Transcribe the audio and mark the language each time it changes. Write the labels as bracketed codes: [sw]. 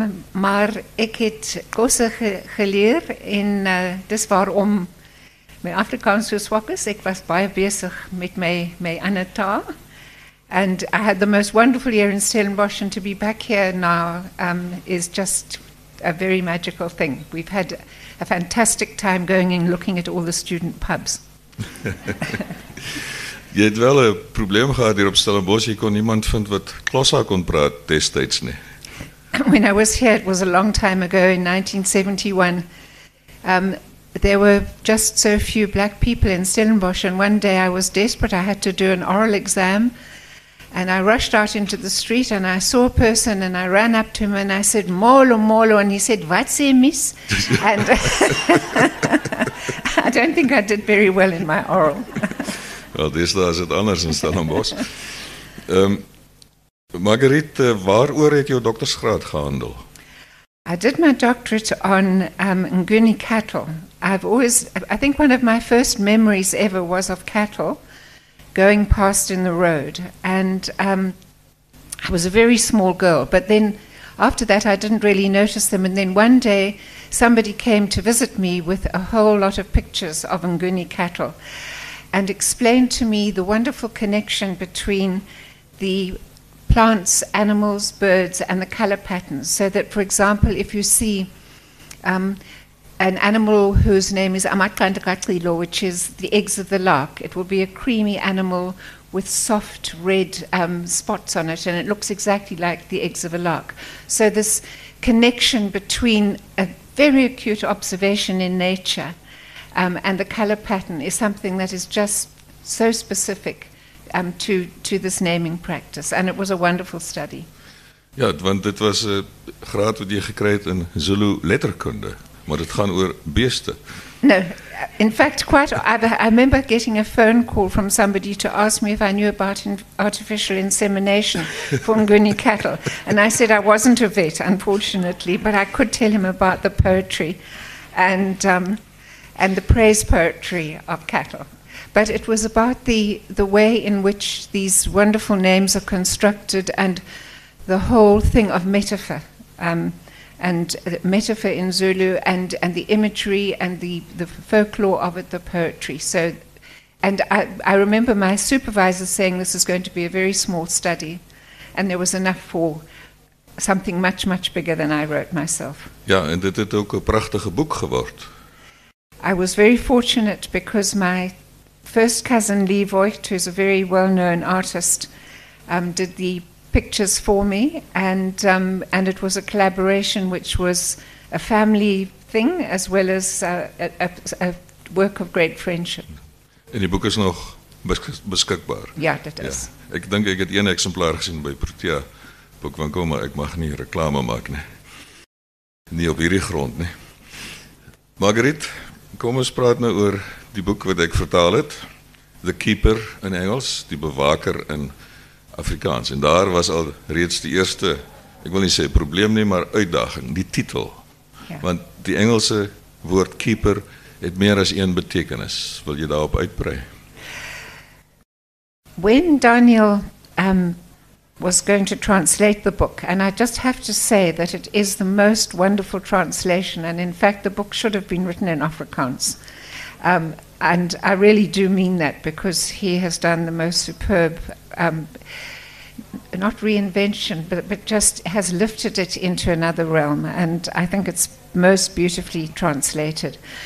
[af] maar ek het Xhosa geleer en dis waarom my Afrikaans so swak is. Ek was baie besig met my ander taal. [en] And I had the most wonderful year in Stellenbosch, and to be back here now is just a very magical thing. We've had a fantastic time going and looking at all the student pubs. [af] Jy het wel 'n probleem gehad hier op Stellenbosch. Jy kon niemand vind wat Xhosa kon praat destyds nie. [en] When I was here, it was a long time ago, in 1971, there were just so few black people in Stellenbosch, and one day I was desperate. I had to do an oral exam, and I rushed out into the street, and I saw a person, and I ran up to him, and I said, "Molo, molo," and he said, [af] "Wat se, miss?" [en] And I don't think I did very well in my oral. Well, this is it anders in Stellenbosch. [af] Margaret, waaroor het jou doktorsgraad gehandel? [en] I did my doctorate on Nguni cattle. I think one of my first memories ever was of cattle, going past in the road, and I was a very small girl, but then after that I didn't really notice them, and then one day somebody came to visit me with a whole lot of pictures of Nguni cattle and explained to me the wonderful connection between the plants, animals, birds, and the color patterns. So that, for example, if you see an animal whose name is Amakandakatlilo, which is the eggs of the lark, it will be a creamy animal with soft red spots on it, and it looks exactly like the eggs of a lark. So this connection between a very acute observation in nature and the color pattern is something that is just so specific to this naming practice, and it was a wonderful study. [af] Ja, want dit was 'n graad wat jy gekry het in Zulu letterkunde, maar dit gaan oor beeste. [en] No, in fact, I remember getting a phone call from somebody to ask me if I knew about artificial insemination for Nguni cattle, and I said I wasn't a vet, unfortunately, but I could tell him about the poetry and the praise poetry of cattle. But it was about the way in which these wonderful names are constructed and the whole thing of metaphor, and metaphor in Zulu, and the imagery and the folklore of it, the poetry. So, and I remember my supervisor saying this is going to be a very small study, and there was enough for something much, much bigger than I wrote myself. [af] Ja, en dit het ook 'n prachtige boek geword. [en] I was very fortunate because my first cousin Lee Voigt, who's a very well-known artist, did the pictures for me, and it was a collaboration which was a family thing as well as a work of great friendship. [af] En die boek is nog beskikbaar. Ja, dit is. Ja. Ek dink ek het een eksemplaar gesien by Protea boekwinkel, maar ek mag nie reklame maak nie. Nie op hierdie grond nie. Margaret, kom ons praat nou oor die boek wat ek vertaal het, The Keeper in Engels, die bewaker in Afrikaans, en daar was al reeds die eerste, ek wil nie sê probleem nie, maar uitdaging, die titel. Ja. Want die Engelse woord keeper het meer as een betekenis. Wil jy daarop uitbrei? [en] When Daniel was going to translate the book, and I just have to say that it is the most wonderful translation, and in fact the book should have been written in Afrikaans. And I really do mean that, because he has done the most superb, not reinvention, but just has lifted it into another realm, and I think it's most beautifully translated.